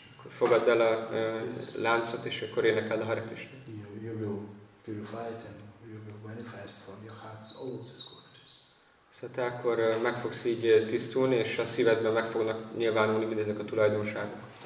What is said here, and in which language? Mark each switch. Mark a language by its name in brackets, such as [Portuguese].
[Hungarian] Fogadd el a láncot, és akkor énekeld a Hare Krishna. [English] You will purify it and you will manifest from your heart all this good. [Hungarian] Tehát akkor meg fogsz így tisztulni, és a szívedben meg fognak nyilvánulni mindezek a tulajdonságok.